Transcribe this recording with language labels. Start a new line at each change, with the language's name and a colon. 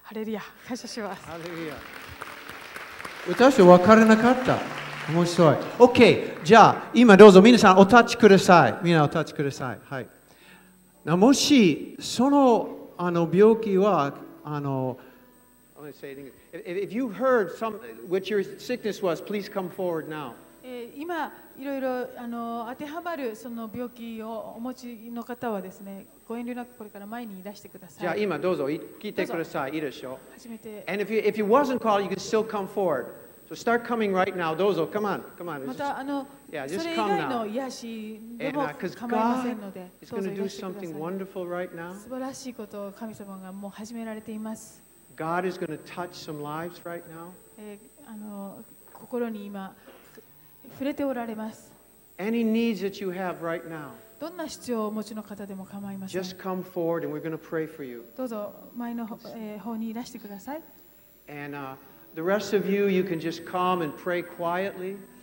Japanese: ハレルヤ、感謝します。ハレルヤ、私は分からなかった、面白い。 OK、 じゃあ今どうぞ皆さんお立ちください。みんなお立ちください、はい、なもしその、 あの病気はあの
English: I'm gonna say it in English. If you heard some, what your sickness was, please come forward now.
Japanese: 今いろいろあの当てはまるその病気をお持ちの方はですねご遠慮なくこれから前にいらしてください。じゃあ今どうぞ聞いてください。いいでしょう、初めて。
English: And if you wasn't called, you can still come forwardSo start coming right now.
Japanese: どうぞ、
English: come on, come on.
Japanese: またあの、
English: yeah, just come now.
Japanese: それ以外の癒しでも構いませんので、どうぞ、いらしてください。
English: It's going to do something wonderful right now.
Japanese: 素晴らしいことを神様がもう始められています。
English: God is going to touch some lives right now.
Japanese: あの心に今触れておられます。
English: Any needs that you have right now.
Japanese: どんな必要をお持ちの方でも構いません。
English: Just come forward and we're going to pray for you.
Japanese: どうぞ前の方にいらしてください。
English: And The rest of you, you can just come and pray quietly.